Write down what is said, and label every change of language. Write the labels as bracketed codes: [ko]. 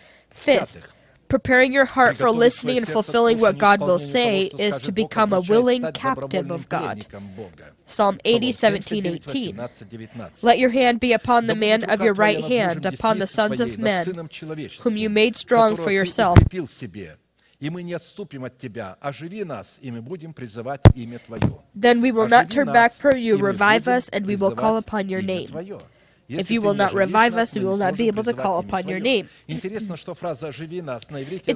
[en] Fifth, preparing your heart for listening and fulfilling what God will say is to become a willing captive of God. Psalm 80:17-18. Let your hand be upon the man of your right hand, upon the sons of men, whom you made strong for yourself. [ru] И мы не отступим от Тебя. Оживи нас, и мы будем призывать имя Твое. [en] Then we will not turn back from You. Revive us, and we will call upon Your name. If You will not revive us, we will not be able to call upon Your name. [ru] Интересно, что фраза «оживи нас» на иврите означает